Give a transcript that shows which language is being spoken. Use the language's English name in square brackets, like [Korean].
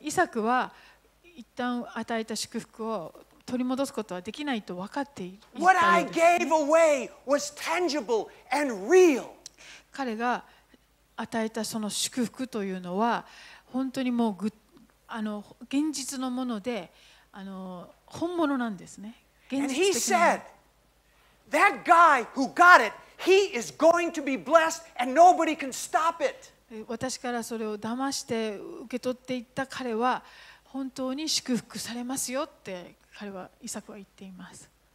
[Japanese] イサクは一旦与えた祝福を取り戻すことはできないと分かっていたようです。 [English] What I gave away was tangible and real. [Japanese] 彼が与えたその祝福というのは本当にもう現実のもので本物なんですね。 [English] And he said, "That guy who got it, he is going to be blessed, and nobody can stop it." [Japanese] 私からそれを騙して受け取っていった彼は本当に祝福されますよって彼はイサクは言っています。